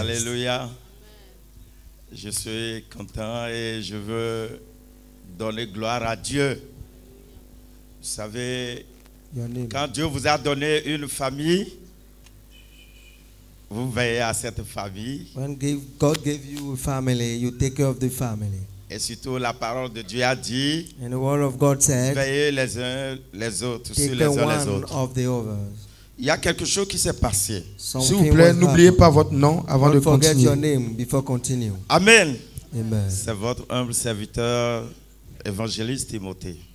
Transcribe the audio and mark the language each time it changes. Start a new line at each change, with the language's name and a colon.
French: Alléluia. Je suis content et je veux donner gloire à Dieu. Vous savez, quand Dieu vous a donné une famille, vous veillez à cette famille.
English: When God gave you a family, you take care of the family.
French: Et surtout, la parole de Dieu a dit,
English: and the word of God said,
French: veillez les uns les autres, sur les uns les autres.
English: Of the others.
French: Il y a quelque chose qui s'est passé.
English: Something
French: s'il vous plaît, n'oubliez pas votre nom avant
English: don't Forget your name before continue.
French: Amen. Amen. C'est votre humble serviteur, évangéliste Timothée.